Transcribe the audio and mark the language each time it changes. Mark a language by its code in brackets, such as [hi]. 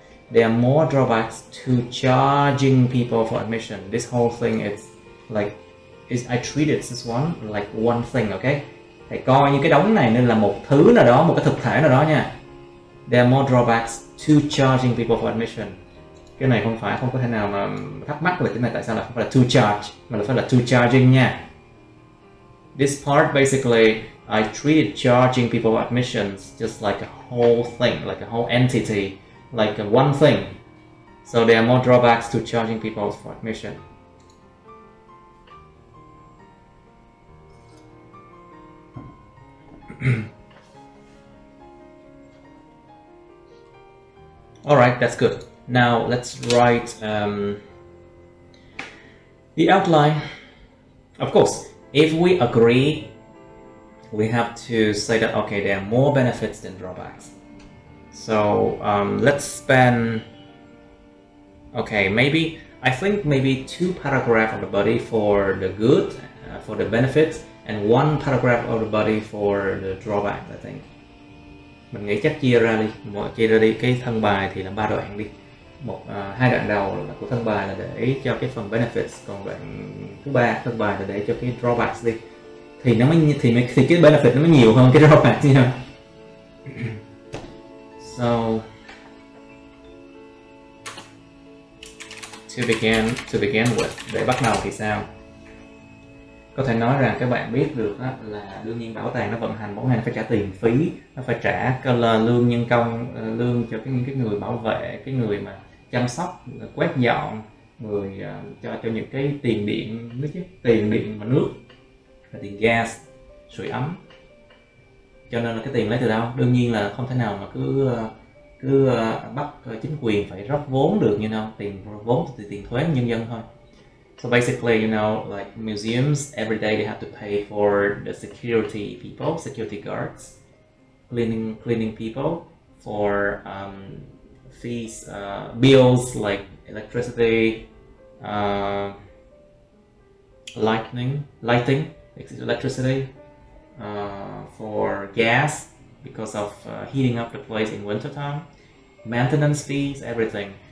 [en] There are more drawbacks to charging people for admission. This whole thing I treat this one like one thing, okay? [vi] Thầy coi như cái đống này nên là một thứ nào đó, một cái thực thể nào đó nha. [en] There are more drawbacks to charging people for admission. [vi] Cái này không phải, không có thể nào mà thắc mắc là cái này tại sao là không phải là [en] to charge, [vi] mà là phải là [en] to charging [vi] nha. [en] This part basically, I treated charging people for admissions just like a whole thing, like a whole entity, like a one thing. So there are more drawbacks to charging people for admission. All right, that's good. Now let's write the outline. Of course, if we agree, we have to say that, okay, there are more benefits than drawbacks. So let's spend, okay, maybe, I think maybe two paragraphs of the body for the good, for the benefits, and one paragraph of the body for the drawbacks, I think. [vi] Mình nghĩ chắc chia ra đi, mỗi chia ra đi cái thân bài thì là ba đoạn đi. Một hai đoạn đầu là của thân bài là để cho cái phần benefits, còn đoạn thứ ba thân bài là để cho cái drawbacks đi. Thì nó mới thì cái benefit nó mới nhiều hơn cái drawbacks nha. [en] So to begin with, [vi] để bắt đầu thì sao? Có thể nói rằng các bạn biết được đó, là đương nhiên bảo tàng nó vận hành, bảo tàng phải trả tiền phí, nó phải trả lương nhân công, lương cho cái người bảo vệ, cái người mà chăm sóc, quét dọn, người cho những cái tiền điện, nước chứ, tiền điện và nước, và tiền gas, sưởi ấm. Cho nên là cái tiền lấy từ đâu? Đương nhiên là không thể nào mà cứ bắt chính quyền phải rót vốn được, như nào? Tiền vốn thì tiền thuế nhân dân thôi. [en] So basically, you know, like museums, every day they have to pay for the security people, security guards, cleaning people, for fees, bills like electricity, lighting, electricity, for gas because of heating up the place in winter time, maintenance fees, everything.